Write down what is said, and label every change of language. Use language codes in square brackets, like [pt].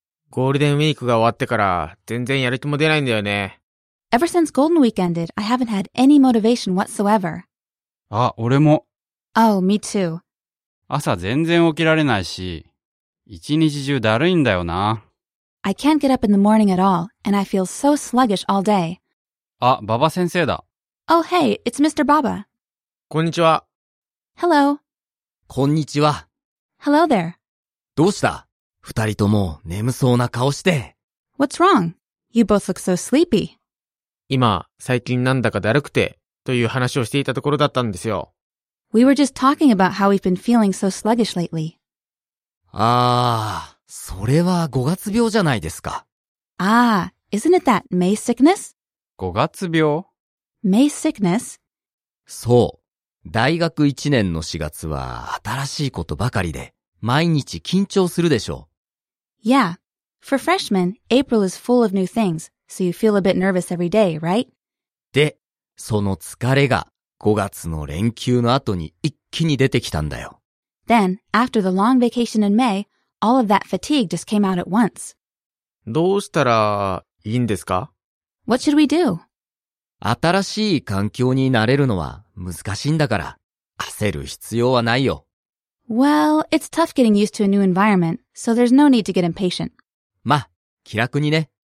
[ja] ゴールデンウィークが終わってから、全然やる気も出ないんだよね。 [en] Ever since Golden Week ended, I haven't had any motivation whatsoever. [ja] あ、俺も。 [en] Oh, me too. [ja] 朝全然起きられないし、一日中だるいんだよな。 [en] I can't get up in the morning at all, and I feel so sluggish all day. [ja] あ、ババ先生だ。 [en] Oh, hey, it's Mr. Baba. [ja] こんにちは。 [en] Hello. [ja] こんにちは。 [en] Hello there. [ja] どうした? 二人とも眠そうな顔して。 [en] What's wrong? You both look so sleepy. [ja] 今、最近なんだかだるくて、という話をしていたところだったんですよ。 [en] We were just talking about how we've been feeling so sluggish lately. [ja] あー、それは五月病じゃないですか。 [en] あー、isn't it that May sickness? [ja] 五月病? [en] May sickness? [ja] そう。大学1年の4月は新しいことばかりで、毎日緊張するでしょう。 [en] Yeah. For freshmen, April is full of new things, so you feel a bit nervous every day, right? [ja] で、その疲れが5月の連休の後に一気に出てきたんだよ。 [en] Then, after the long vacation in May, all of that fatigue just came out at once. [ja] どうしたらいいんですか? [en] What should we do? [ja] 新しい環境に慣れるのは難しいんだから、焦る必要はないよ。 [en] Well, it's tough getting used to a new environment, so there's no need to get impatient. [ja] ま、気楽にね。